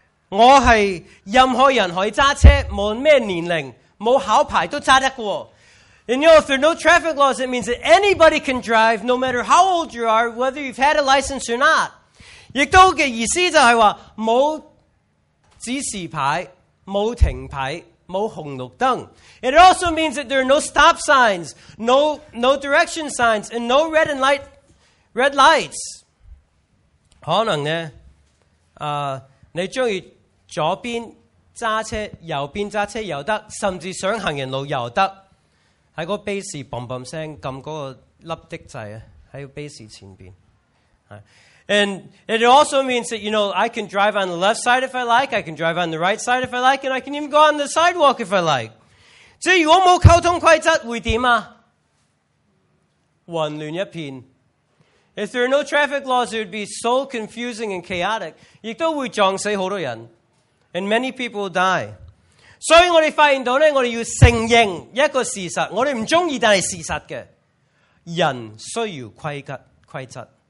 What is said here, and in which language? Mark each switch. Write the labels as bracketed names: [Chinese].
[Cantonese] 我是任何人可以揸车，无论咩年龄，冇考牌都揸得过。 [English] And you know, if there are no traffic laws, it means that anybody can drive, no matter how old you are, whether you've had a license or not. [Cantonese] 亦都嘅意思就系话冇指示牌、冇停牌、冇红绿灯。 [English] It also means that there are no stop signs, no direction signs, and no red lights. [Cantonese] 可能咧，你中意。左边揸车，右边揸车又得，甚至上行人路又得。喺个 base 嘣嘣声揿嗰个粒的掣啊，喺 base 前边。 [English] And it also means that you know I can drive on the left side if I like, I can drive on the right side if I like, and I can even go on the sidewalk if I like。 [Cantonese] 即系如果冇交通规则会点啊？混乱一片。 [English] If there are no traffic laws, it would be so confusing and chaotic。 [Cantonese] 亦都会撞死好多人。 [English] And many people die. So we find that we need to accept one thing. We don't like it, but it's a fact. People need a rule.